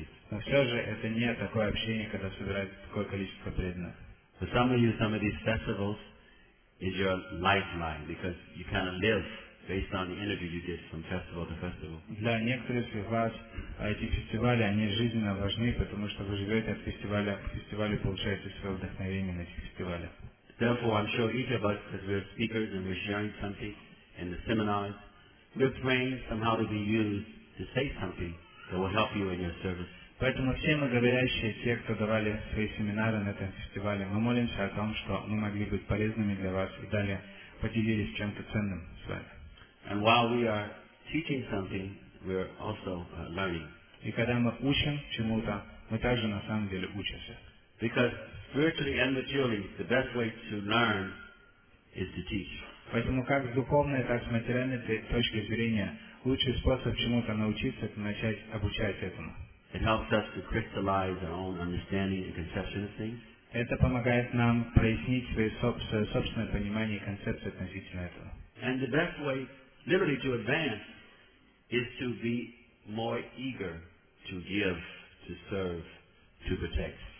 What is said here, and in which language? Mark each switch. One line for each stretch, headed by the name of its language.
Russian: Но все же это не такое общение, когда собирается такое количество преданных.
English: For some of you, some of these festivals is your lifeline, because you kind of live based on the energy you get from festival to festival.
Russian: Для некоторых из вас эти фестивали, они жизненно важны, потому что вы живете от фестиваля к фестивалю, получаете свое вдохновение на этих фестивалях.
English: Therefore, I'm sure each of us, as we're speakers and we're sharing something in the seminars, we're praying somehow to be used to say something. That will help you in your service.
Russian: Поэтому все мы говорящие, те, кто давали свои семинары на этом фестивале, мы молимся о том, что мы могли быть полезными для вас и далее поделились чем-то ценным с вами.
English: And while we are teaching something, we are also learning.
Russian: И когда мы учим чему-то, мы также на самом деле учимся.
English: Because spiritually and materially, the best way to learn is to teach.
Russian: Поэтому как с духовной, так и с материальной точки зрения лучший способ чему-то научиться, это начать обучать этому.
English: It helps us to crystallize our own understanding and conception of things.
Russian: Это помогает нам прояснить свое собственное понимание и концепцию относительно этого.
English: And the best way, literally, to advance is to be more eager to give, to serve, to protect.